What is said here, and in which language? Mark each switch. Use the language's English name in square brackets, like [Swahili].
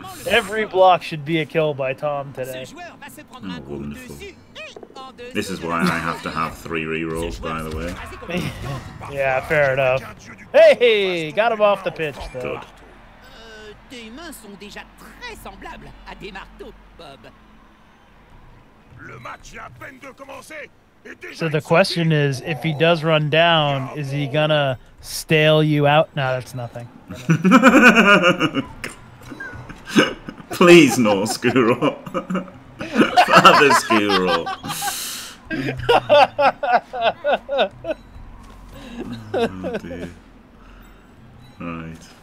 [English] Every block should be a kill by Tom today. Oh, wonderful. This is why I have to have three rerolls, by the way. Yeah, fair enough. Hey, got him off the pitch, though. [French] Tes mains sont déjà très semblables à des marteaux, Bob. Le match est à peine de commencer. [English] So the question is, if he does run down, is he gonna stale you out? No, that's nothing. Please, no, Skuro. Father Skuro. Oh, dear. Right.